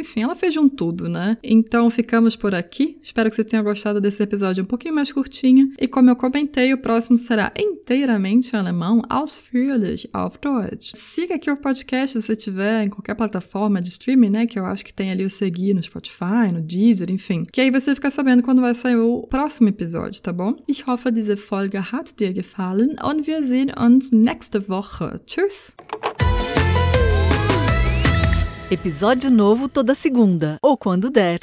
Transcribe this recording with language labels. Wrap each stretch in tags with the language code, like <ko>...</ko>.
<pt>Enfim, ela fez um tudo, né? Então, ficamos por aqui. Espero que você tenha gostado desse episódio um pouquinho mais curtinho. E como eu comentei, o próximo será inteiramente em alemão,</pt> <de>Ausführlich auf Deutsch.</de> <pt>Siga aqui o podcast, se você tiver em qualquer plataforma de streaming, né? Que eu acho que tem ali o seguir no Spotify, no Deezer, enfim. Que aí você fica sabendo quando vai sair o próximo episódio, tá bom?</pt> <de>Ich hoffe, diese Folge hat dir gefallen und wir sehen uns nächste Woche. Tschüss!</de> <pt>Episódio novo toda segunda, ou quando der.</pt>